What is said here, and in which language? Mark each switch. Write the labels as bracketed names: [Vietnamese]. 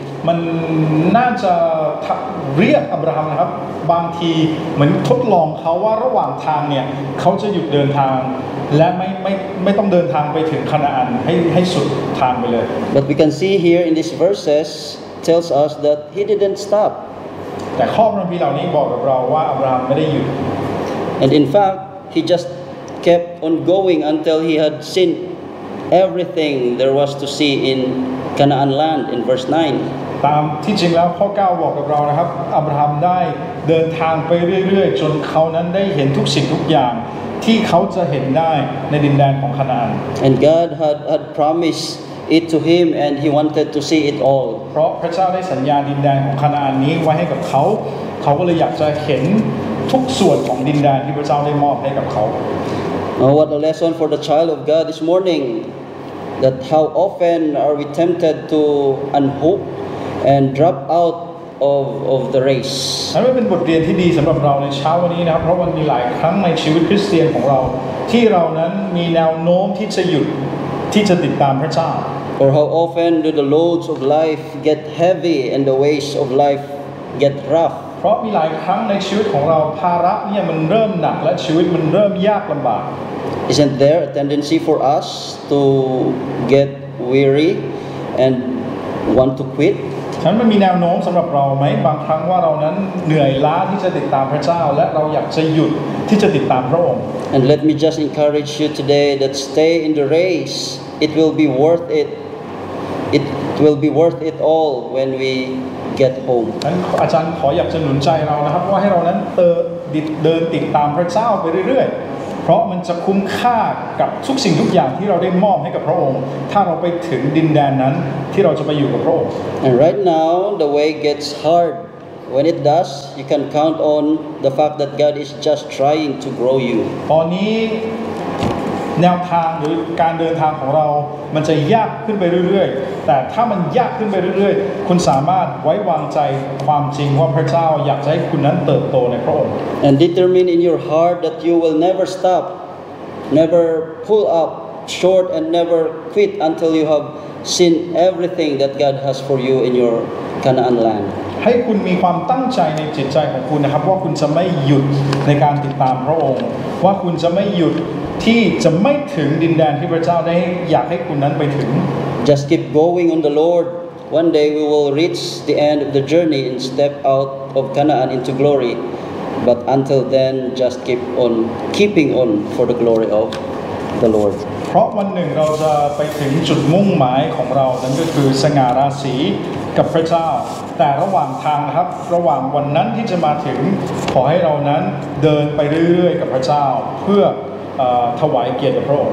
[Thai] มันน่าจะเรียกอับราฮัมนะครับบางทีเหมือนทดลองเขาว่าระหว่างทางเนี่ยเขาจะหยุดเดินทางและไม่ต้องเดินทางไปถึงคานาอันให้สุดทางไปเลย [English] But we can see here in these verses tells us that he didn't stop [Thai] แต่ข้อพระคัมภีร์เหล่านี้บอกกับเราว่าอับราฮัมไม่ได้หยุด [English] And in fact he just kept on going until he had seen everything there was to see in Canaan land in verse 9 [Thai] ตามที่จริงแล้วข้อ9บอกกับเรานะครับอับราฮัมได้เดินทางไปเรื่อยๆจนเขานั้นได้เห็นทุกสิ่งทุกอย่างที่เขาจะเห็นได้ในดินแดนของคานาอัน [English] And God had promised it to him and he wanted to see it all [Thai] เพราะพระเจ้าได้สัญญาดินแดนของคานาอันนี้ไว้ให้กับเขาเขาก็เลยอยากจะเห็นทุกส่วนของดินแดนที่พระเจ้าได้มอบให้กับเขา [English] What a lesson for the child of God this morning that how often are we tempted to unhook and drop out of the race [Thai] นั่นเป็นบทเรียนที่ดีสำหรับเราในเช้าวันนี้นะครับเพราะมันมีหลายครั้งในชีวิตคริสเตียนของเราที่เรานั้นมีแนวโน้มที่จะหยุดที่จะติดตามพระเจ้า [English] Or how often do the loads of life get heavy and the weights of life get rough [Thai] เพราะมีหลายครั้งในชีวิตของเราภาระเนี่ยมันเริ่มหนักและชีวิตมันเริ่มยากลำบาก [English] Isn't there a tendency for us to get weary and want to quit [Thai] ฉันไม่มีแนวโน้มสำหรับเราไหมบางครั้งว่าเรานั้นเหนื่อยล้าที่จะติดตามพระเจ้าและเราอยากจะหยุดที่จะติดตามพระองค์ [English] And let me just encourage you today that stay in the race it will be worth it it will be worth it all when we get home [Thai] อาจารย์ขออยากจะหนุนใจเรานะครับว่าให้เรานั้นเดินติดตามพระเจ้าไปเรื่อยๆเพราะมันจะคุ้มค่ากับทุกสิ่งทุกอย่างที่เราได้มอบให้กับพระองค์ถ้าเราไปถึงดินแดนนั้นที่เราจะไปอยู่กับพระองค์ [English] And right now the way gets hard when it does you can count on the fact that God is just trying to grow you [Thai] ตอนนี้แนวทางหรือการเดินทางของเรามันจะยากขึ้นไปเรื่อยๆแต่ถ้ามันยากขึ้นไปเรื่อยๆคุณสามารถไว้วางใจความจริงว่าพระเจ้าอยากให้คุณนั้นเติบโตในพระองค์ [English] And determine in your heart that you will never stop never pull up short and never quit until you have seen everything that God has for you in your Canaan land [Thai] ให้คุณมีความตั้งใจในจิตใจของคุณนะครับว่าคุณจะไม่หยุดในการติดตามพระองค์ว่าคุณจะไม่หยุดที่จะไม่ถึงดินแดนที่พระเจ้าได้อยากให้คุณนั้นไปถึง [English] Just keep going on the Lord one day we will reach the end of the journey and step out of Canaan into glory but until then just keep on keeping on for the glory of the Lord [Thai] เพราะวันหนึ่งเราจะไปถึงจุดมุ่งหมายของเรานั้นก็คือสง่าราศีกับพระเจ้าแต่ระหว่างทางนะครับระหว่างวันนั้นที่จะมาถึงขอให้เรานั้นเดินไปเรื่อยๆกับพระเจ้าเพื่อถวายเกียรติพระองค